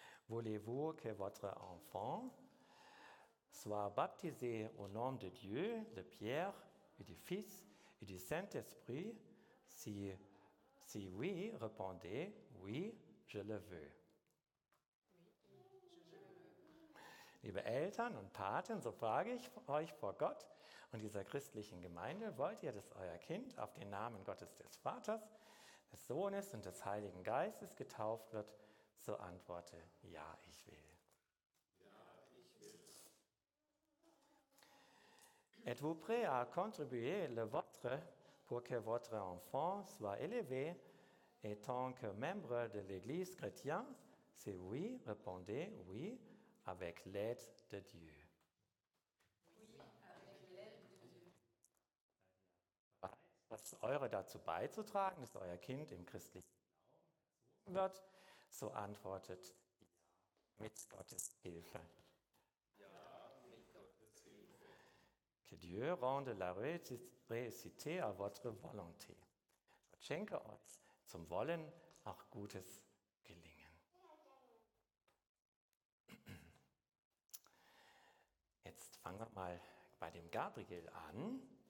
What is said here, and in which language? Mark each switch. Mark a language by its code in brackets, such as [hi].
[fr] Voulez-vous que votre enfant soit baptisé au nom de Dieu, du Père et du Fils et du Saint-Esprit? Si oui, répondez, oui, je le veux. [de] Liebe Eltern und Paten, so frage ich euch vor Gott und dieser christlichen Gemeinde, wollt ihr, dass euer Kind auf den Namen Gottes des Vaters, des Sohnes und des Heiligen Geistes getauft wird? So antworte, ja, ich will. Ja, ich will. [fr] Êtes-vous prêt à contribuer le vôtre pour que votre enfant soit élevé en tant que membre de l'Église chrétienne? Si oui, répondez, oui. Avec l'aide de Dieu. Oui, avec l'aide de Dieu. [de] Was ist eure dazu beizutragen, dass euer Kind im christlichen Glauben wird? So antwortet ja, mit Gottes Hilfe. Ja, mit Gottes Hilfe. [fr] Que Dieu rende la réussite à votre volonté. [de] Gott schenke euch zum Wollen auch Gutes gelingen. Jetzt fangen wir mal bei dem Gabriel an.